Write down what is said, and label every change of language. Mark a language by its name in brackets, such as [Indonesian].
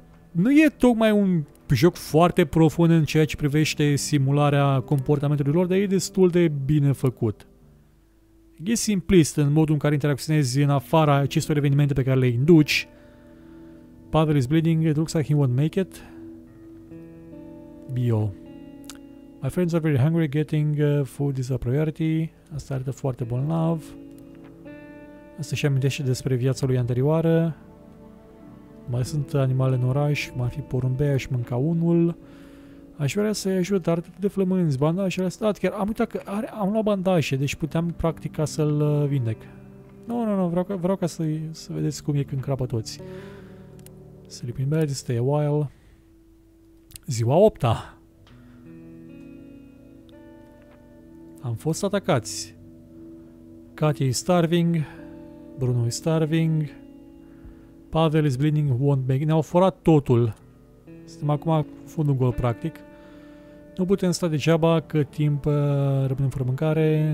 [Romanian] Nu e tocmai un joc foarte profund în ceea ce privește simularea comportamentului lor, dar e destul de bine făcut. E simplist în modul în care interacționezi în afara acestor evenimente pe care le induci. [English] Pavel is bleeding. It looks like he won't make it. Bio. My friends are very hungry. Getting food is a priority. [Romanian] Asta arată foarte bolnav. Asta își amintește despre viața lui anterioară. Mai sunt animale în oraș. M-ar fi porumbei. Aș mânca unul. Aș vrea să-i ajut, dar atât de flămânzi, bandajele astea, chiar am uitat că am luat bandaje, deci puteam practic ca să-l vindec. Nu, vreau ca să vedeți cum e când crapă toți. [English] Sleeping bed, stay a while. [Romanian] Ziua 8-a. Am fost atacați. [English] Katia-i starving, Bruno-i starving, Pavel is bleeding, won't make. [Romanian] Ne-au furat totul. Suntem acum cu fundul gol, practic. Nu putem sta degeaba cât timp rămânem fără mâncare.